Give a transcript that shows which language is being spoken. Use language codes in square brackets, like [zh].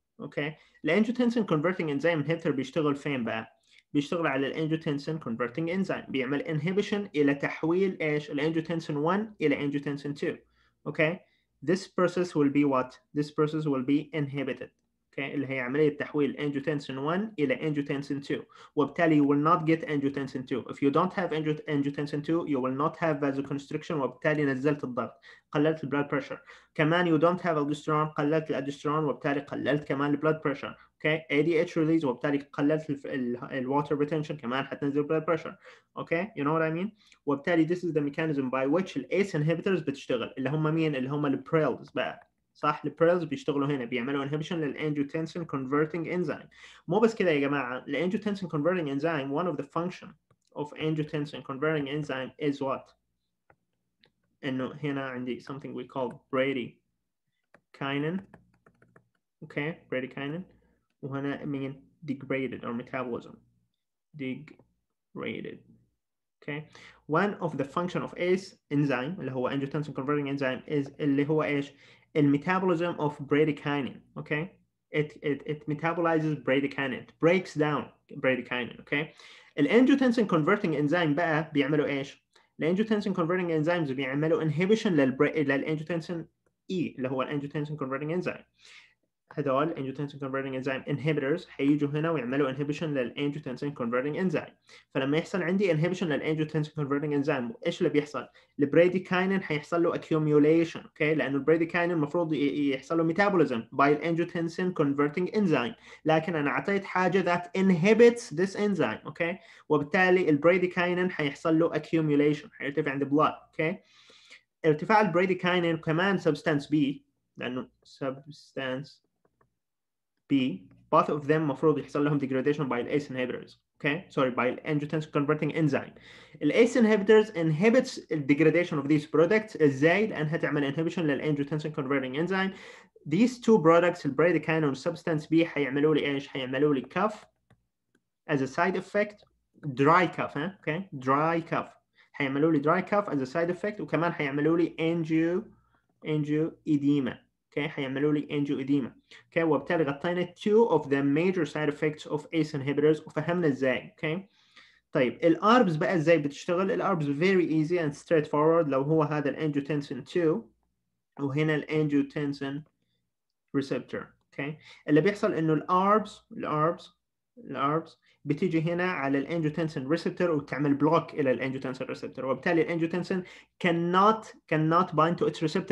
[ar] okay, الانجيوتنسين converting enzyme inhibitor بيشتغل فين بقى؟ بيشتغل على الانجيوتنسين converting enzyme, بيعمل inhibition الى تحويل ايش؟ الانجيوتنسين 1 الى angiotensin 2. [en] okay, this process will be inhibited. okay, اللي هي عملية تحويل angiotensin 1 الى angiotensin 2, وبالتالي you will not get angiotensin 2. if you don't have angiotensin 2 you will not have vasoconstriction, وبالتالي نزلت الضغط, قللت blood pressure. [ar] كمان you don't have aldosterone, قللت الaldosterone وبالتالي قللت كمان blood pressure. [en] okay, ADH release وبالتالي قللت ال water retention, كمان حتنزل blood pressure. okay, you know what I mean. [ar] وبالتالي this is the mechanism by which the ACE inhibitors بتشتغل, اللي هم مين؟ اللي هم ال prils بقى, صح؟ البريلز بيشتغلوا هنا, بيعملوا inhibition للانجيوتنسين converting enzyme. [en] مو بس كده يا جماعة, الانجيوتنسين converting enzyme, one of the function of angiotensin converting enzyme is what? [ar] انه هنا عندي something we call bradykinin. [en] okay, bradykinin, وهنا مين؟ degraded or metabolism. degraded. okay, one of the function of ACE enzyme اللي هو angiotensin converting enzyme is اللي هو ايش؟ the metabolism of bradykinin. okay, it metabolizes bradykinin, it breaks down bradykinin. okay, the angiotensin converting enzyme بقى بيعملوا ايش؟ the angiotensin converting enzymes بيعملوا inhibition لل angiotensin E اللي هو angiotensin converting enzyme. هذول angiotensin converting enzyme inhibitors هيجوا هنا ويعملوا inhibition لل angiotensin converting enzyme. [ar] فلما يحصل عندي inhibition لل angiotensin converting enzyme ايش اللي بيحصل؟ البريديكاينين هيحصل له accumulation. [en] okay, لانه البريديكاينين المفروض يحصل له metabolism by the angiotensin converting enzyme, لكن انا اعطيت حاجه that inhibits this enzyme. [ar] okay, وبالتالي البريديكاينين هيحصل له accumulation, هيرتفع عند blood. okay, ارتفاع البريديكاينين كمان substance B, لانه substance B, both of them مفروض يحصل لهم degradation by the ACE inhibitors. [en] okay, sorry, by the angiotensin converting enzyme. The ACE inhibitors inhibits the degradation of these products. [ar] ازاي؟ لأنها تعمل inhibition للangiotensin converting enzyme. [en] These two products, the bradykinin and substance B, هيعملوا لي ايش؟ هيعملوا لي cuff as a side effect. dry cuff, huh? okay, dry cuff. هيعملوا لي dry cuff as a side effect, وكمان هيعملوا لي angioedema. okay, هيعملوا لي angioedema. [ar] okay, وبالتالي غطينا two of the major side effects of ACE inhibitors وفهمنا ازاي. [en] okay, طيب ال ARBs بقى ازاي بتشتغل؟ ال ARBs very easy and straightforward. [ar] لو هو هذا ال angiotensin 2 وهنا ال angiotensin receptor. [en] okay, اللي بيحصل انه ال ARBs بتيجي هنا على ال angiotensin receptor وتعمل block الى ال angiotensin receptor, وبالتالي ال angiotensin cannot bind to its receptor.